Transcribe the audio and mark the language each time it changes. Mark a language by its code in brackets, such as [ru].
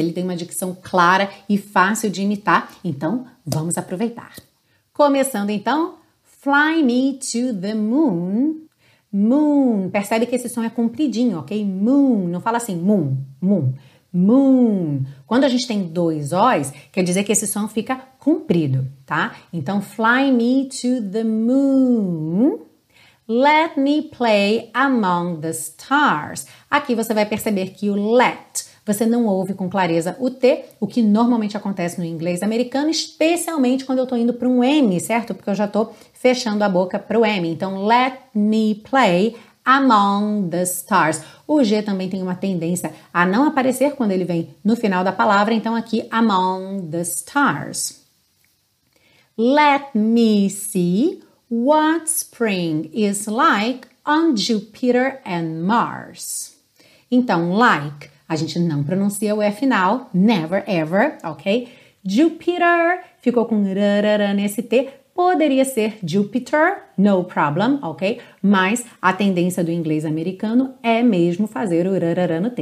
[pt] Ele tem uma dicção clara e fácil de imitar, então vamos aproveitar. Começando então, [en] fly me to the moon, moon, [pt] percebe que esse som é compridinho, ok? Moon, não fala assim, moon, moon, moon. Quando a gente tem dois O's, quer dizer que esse som fica comprido, tá? [en] Então, fly me to the moon, let me play among the stars. [pt] Aqui você vai perceber que o let, você não ouve com clareza o T, o que normalmente acontece no inglês americano, especialmente quando eu tô indo para um M, certo? Porque eu já tô fechando a boca pro M. [en] Então, let me play among the stars. [pt] O G também tem uma tendência a não aparecer quando ele vem no final da palavra. Então, aqui, [en] among the stars. Let me see what spring is like on Jupiter and Mars. [pt] Então, like, a gente não pronuncia o E final, [en] never, ever, [pt] ok? Jupiter, ficou com rarara nesse T, poderia ser Jupiter, [en] no problem, [pt] ok? Mas a tendência do inglês americano é mesmo fazer o rarara no T.